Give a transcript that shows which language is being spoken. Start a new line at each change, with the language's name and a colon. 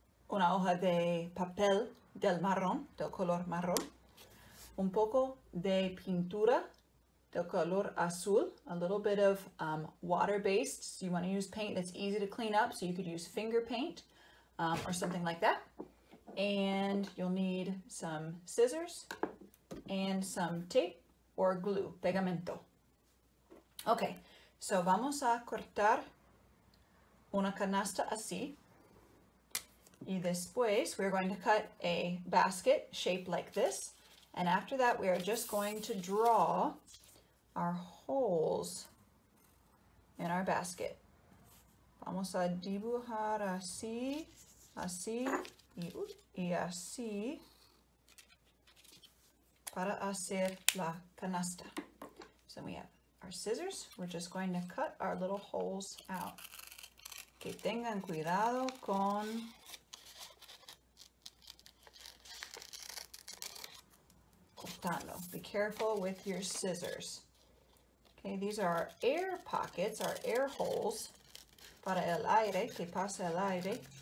Spanish: Una hoja de papel del marrón, del color marrón, un poco de pintura del color azul,
English: a little bit of water-based, so you want to use paint that's easy to clean up, so you could use finger paint or something like that, and you'll need some scissors and some tape or glue, pegamento.
Spanish: Okay, so vamos a cortar una canasta así. Y después,
English: we're going to cut a basket shaped like this. And after that, we are just going to draw our holes in our basket.
Spanish: Vamos a dibujar así, así y así para hacer la canasta.
English: So we have our scissors. We're just going to cut our little holes out.
Spanish: Que tengan cuidado con...
English: Be careful with your scissors. Okay, these are our air pockets, our air holes
Spanish: para el aire, que pasa el aire